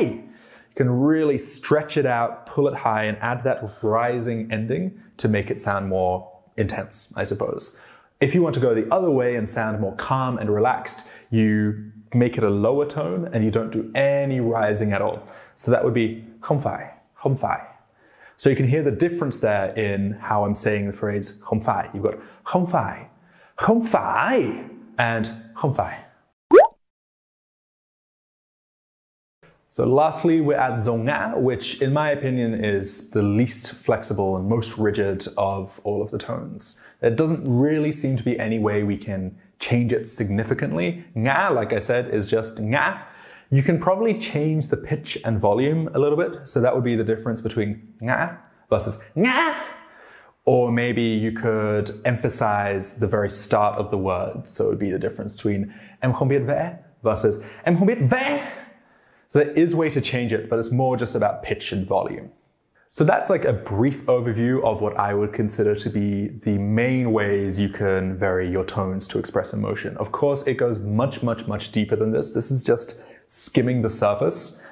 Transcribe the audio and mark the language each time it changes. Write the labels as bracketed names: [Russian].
[English] You can really stretch it out, pull it high, and add that rising ending to make it sound more intense, I suppose. If you want to go the other way and sound more calm and relaxed, you make it a lower tone and you don't do any rising at all. So that would be [Vietnamese] không phải, không phải. [English] So you can hear the difference there in how I'm saying the phrase [Vietnamese] không phải. [English] You've got [Vietnamese] không phải, không phải, [English] and [Vietnamese] không phải. [English] So lastly, we're at zo ngã, which in my opinion is the least flexible and most rigid of all of the tones. There doesn't really seem to be any way we can change it significantly. Ngã, like I said, is just ngã. You can probably change the pitch and volume a little bit. So that would be the difference between ngã versus ngã. Or maybe you could emphasize the very start of the word. So it would be the difference between [Vietnamese] em không biết vẽ [English] versus [Vietnamese] em không biết vẽ. [English] So there is a way to change it, but it's more just about pitch and volume. So that's like a brief overview of what I would consider to be the main ways you can vary your tones to express emotion. Of course, it goes much, much, much deeper than this. This is just skimming the surface.